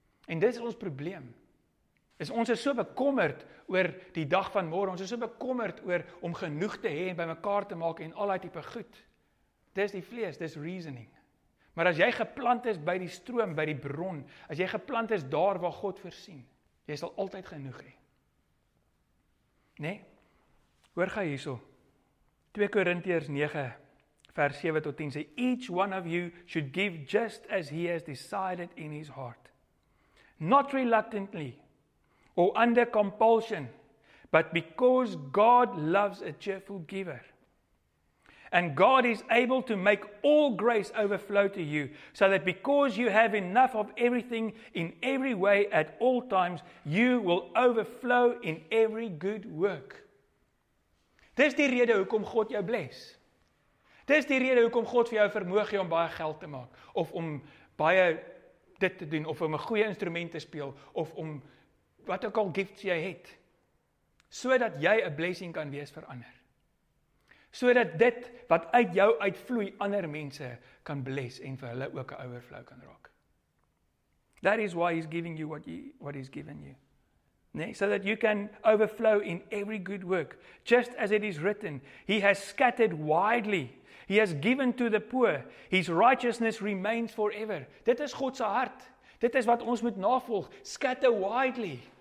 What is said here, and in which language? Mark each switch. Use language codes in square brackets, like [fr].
[af] En dis ons probleem. Is ons is so bekommerd oor die dag van môre, ons is so bekommerd oor om genoeg te hê en bymekaar te maak en al daai tipe goed. Dis die vlees, dis reasoning. Maar as jy geplant is by die stroom, by die bron, as jy geplant is daar waar God voorsien, jy sal altyd genoeg hê. Nee? Hoor gou hierso. 2 Korintiërs 9 vers 7 tot 10 sê, [en] each one of you should give just as he has decided in his heart. Not reluctantly or under compulsion, but because God loves a cheerful giver. And God is able to make all grace overflow to you, so that because you have enough of everything in every way at all times, you will overflow in every good work. [af] Dis die rede hoekom God jou bless. Dis die rede hoekom God vir jou vermoë gee om baie geld te maak, of om baie dit te doen, of om 'n goeie instrument te speel, of om wat ook al gifts jy het, so dat jy 'n blessing kan wees vir ander. So dat dit wat uit jou uitvloei, ander mense kan bless en vir hulle ook 'n overflow kan raak. [en] That is why he's giving you what he's given you. [af] Nee, [en] so that you can overflow in every good work. Just as it is written, he has scattered widely. He has given to the poor. His righteousness remains forever. [af] Dit is God se hart. Dit is wat ons moet navolg. [en] Scatter widely.